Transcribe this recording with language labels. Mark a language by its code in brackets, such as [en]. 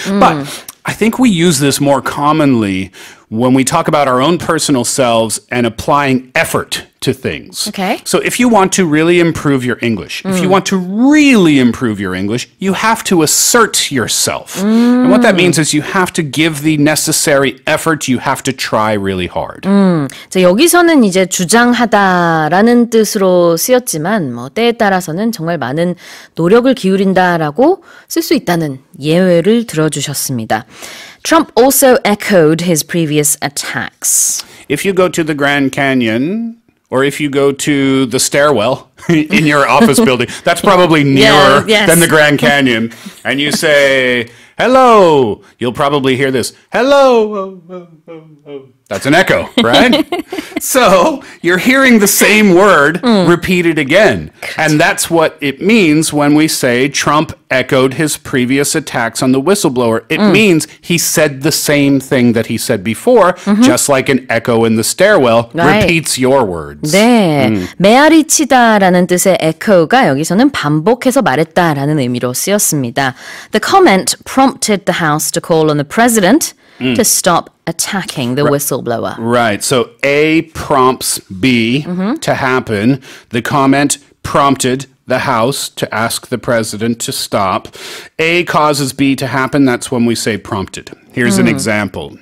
[en] But I think we use this more commonly when we talk about our own personal selves and applying effort to things. Okay. So if you want to really improve your English, if you want to really improve your English, you have to assert yourself. Mm. And what that means is you have to give the necessary effort. You have to try really hard. [ko] 자, 여기서는 이제 주장하다라는 뜻으로 쓰였지만 뭐 때에 따라서는 정말 많은 노력을 기울인다라고 쓸 수 있다는 예외를 들어주셨습니다. [en] Trump also echoed his previous attacks. If you go to the Grand Canyon, or if you go to the stairwell in your office building, that's probably nearer than the Grand Canyon, and you say, hello, you'll probably hear this, hello, oh, oh, oh, oh. That's an echo, right? So you're hearing the same word repeated again. And that's what it means when we say Trump echoed his previous attacks on the whistleblower. It means he said the same thing that he said before, just like an echo in the stairwell repeats your words. [ko] 네, 메아리치다라는 뜻의 echo가 여기서는 반복해서 말했다라는 의미로 쓰였습니다. [en] The comment prompted the House to call on the president to stop attacking the whistleblower. Right. So A prompts B to happen. The comment prompted the House to ask the president to stop. A causes B to happen. That's when we say prompted. Here's an example.